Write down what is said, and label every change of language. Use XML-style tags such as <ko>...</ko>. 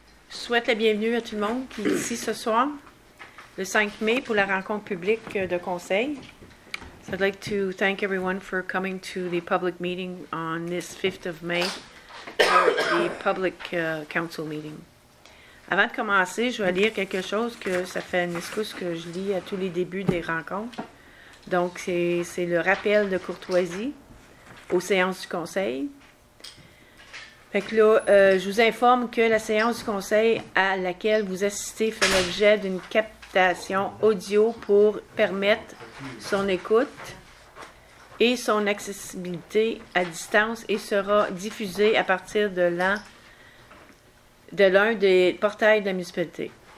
<fr>souhaite la bienvenue à tout le monde qui est ici ce soir, le 5 mai, pour la rencontre publique de conseil.</fr> <en>So I'd like to thank everyone for coming to the public meeting on this 5th of May, the public council meeting.</en> <fr>Avant de commencer, je vais lire quelque chose que ça fait une excuse que je lis à tous les débuts des rencontres. Donc, c'est le rappel de courtoisie aux séances du conseil. Fait que là, je vous informe que la séance du conseil à laquelle vous assistez fait l'objet d'une captation audio pour permettre son écoute et son accessibilité à distance et sera diffusée à partir de l'un des portails de la municipalité.</fr>